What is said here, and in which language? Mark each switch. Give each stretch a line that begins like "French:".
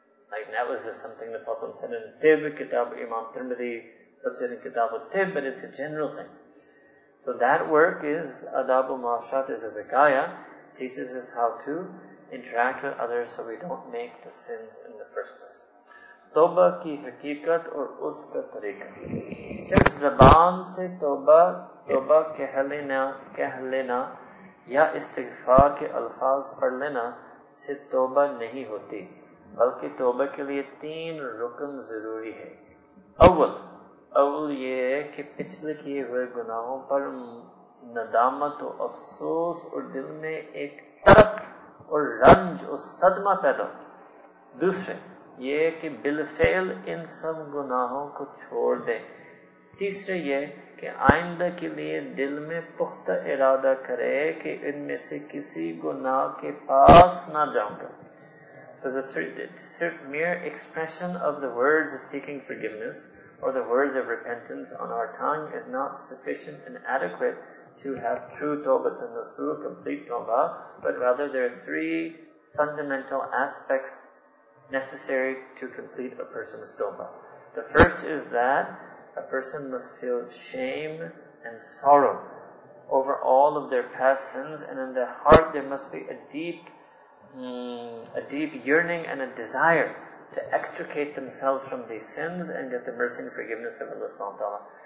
English: Like that was just something the Prophet said in Tib, Kitab Imam Tirmidhi, Tafsir Kitab Tib, but it's a general thing. So that work is, Adab al-Mu'asharat is a wiqaya, teaches us how to interact with others so we don't make the sins in the first place.
Urdu: Toba ki hakikat aur uska tariqa. Sirf zaban se toba kehlena, ya istighfar ke alfaz par lena, سے توبہ نہیں ہوتی بلکہ توبہ کے لیے تین رکن ضروری ہے اول یہ کہ پچھلے کیے ہوئے گناہوں پر ندامت و افسوس اور دل میں ایک طرف اور رنج اور صدمہ پیدا ہو دوسرے یہ کہ بالفعل ان سب گناہوں کو چھوڑ دیں تیسرے یہ کہ آئندہ کے لیے دل میں پختہ ارادہ کرے کہ ان میں سے کسی گناہ کے پاس نہ جاؤں گا
English: So the mere expression of the words of seeking forgiveness or the words of repentance on our tongue is not sufficient and adequate to have true tawbah and nasuh, complete tawbah, but rather there are three fundamental aspects necessary to complete a person's tawbah. The first is that a person must feel shame and sorrow over all of their past sins, and in their heart there must be a deep yearning and a desire to extricate themselves from these sins and get the mercy and forgiveness of Allah subhanahu wa ta'ala.